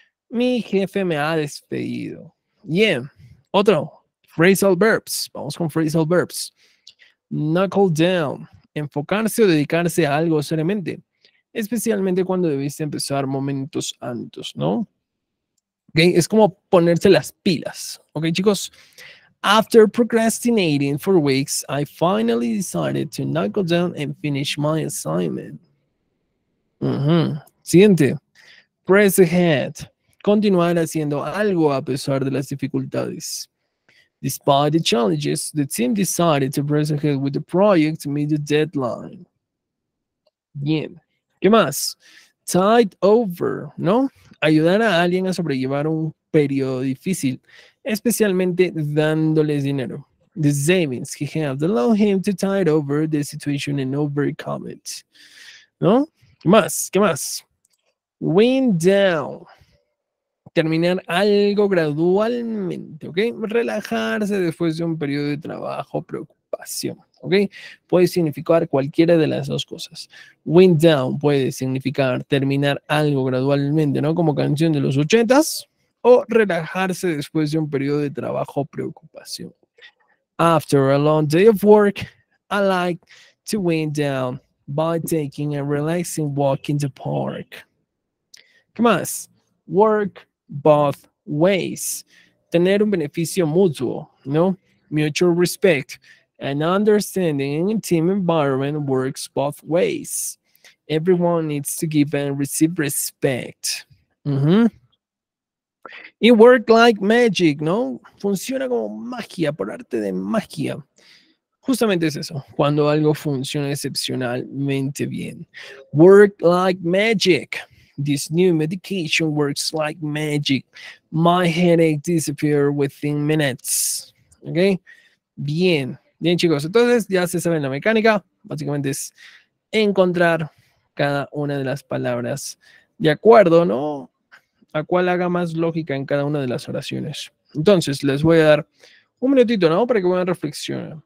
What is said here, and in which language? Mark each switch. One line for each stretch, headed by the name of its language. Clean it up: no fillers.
Spanish: Mi jefe me ha despedido. Yeah. Otro, phrasal verbs. Vamos con phrasal verbs. Knuckle down. Enfocarse o dedicarse a algo seriamente. Especialmente cuando debiste empezar momentos antes, ¿no? Ok, es como ponerse las pilas. Ok, chicos.
English: After procrastinating for weeks, I finally decided to knuckle down and finish my assignment.
Spanish: Siguiente, press ahead, continuar haciendo algo a pesar de las dificultades.
English: Despite the challenges, the team decided to press ahead with the project to meet the deadline.
Spanish: Bien, ¿qué más? tide over, ¿no? Ayudar a alguien a sobrellevar un periodo difícil, especialmente dándoles dinero.
English: The savings he had allowed him to tide over the situation and overcome it.
Spanish: ¿No? ¿Qué más? Wind down. Terminar algo gradualmente, ¿ok? Relajarse después de un periodo de trabajo, preocupación, ¿ok? Puede significar cualquiera de las dos cosas. Wind down puede significar terminar algo gradualmente, ¿no? Como canción de los 80s, o relajarse después de un periodo de trabajo, preocupación.
English: After a long day of work, I like to wind down by taking a relaxing walk in the park.
Spanish: ¿Qué más? Work both ways. Tener un beneficio mutuo, ¿no?
English: Mutual respect and understanding in a team environment works both ways. Everyone needs to give and receive respect. It works like magic,
Spanish: ¿no? Funciona como magia, por arte de magia. Justamente es eso, cuando algo funciona excepcionalmente bien.
English: Work like magic. This new medication works like magic. My headache disappeared within minutes.
Spanish: ¿Ok? Bien. Bien, chicos. Entonces, ya se sabe la mecánica. Básicamente es encontrar cada una de las palabras de acuerdo, ¿no? A cuál haga más lógica en cada una de las oraciones. Entonces, les voy a dar un minutito, ¿no? Para que puedan reflexionar.